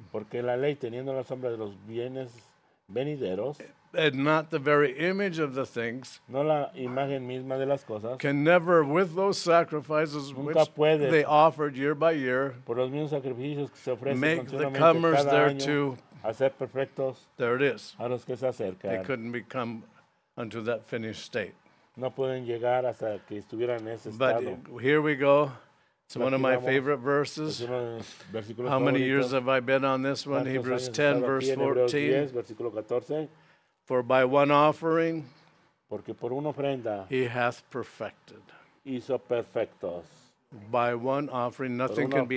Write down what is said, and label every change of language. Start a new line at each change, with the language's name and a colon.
Spanish: Porque la ley teniendo la sombra de los bienes venideros.
English: And not the very image of the things.
Spanish: No la imagen misma de las cosas.
English: Can never with those sacrifices
Spanish: nunca
English: which
Spanish: puede.
English: They offered year by year.
Spanish: Por los mismos sacrificios que se ofrecen
English: make the comers thereto.
Spanish: Hacer perfectos
English: there it is.
Spanish: A los que se acercan.
English: They couldn't become unto that finished state.
Spanish: No pueden llegar hasta que estuvieran en ese estado.
English: But here we go. It's one of my favorite verses. How many years have I been on this one? Hebrews 10, verse 14. For by one offering,
Spanish: porque por una ofrenda,
English: he hath perfected.
Spanish: Hizo perfectos.
English: By one offering, nothing can